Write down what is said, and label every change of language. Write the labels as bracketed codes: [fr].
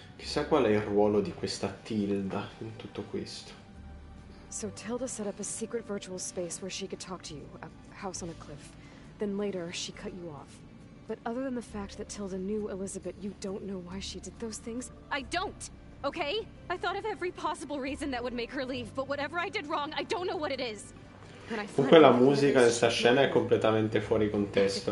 [it] Chissà qual è il ruolo di questa Tilda in tutto questo. [en] So Tilda set up a secret virtual space where she could talk to you, a house on a cliff. Then later she cut you off. but other than the fact that Tilda knew Elizabeth, you don't know why she did those things? I don't, okay? I thought of every possible reason that would make her leave, but whatever I did wrong, I don't know what it is. [it] Comunque la musica in sta scena è completamente fuori contesto.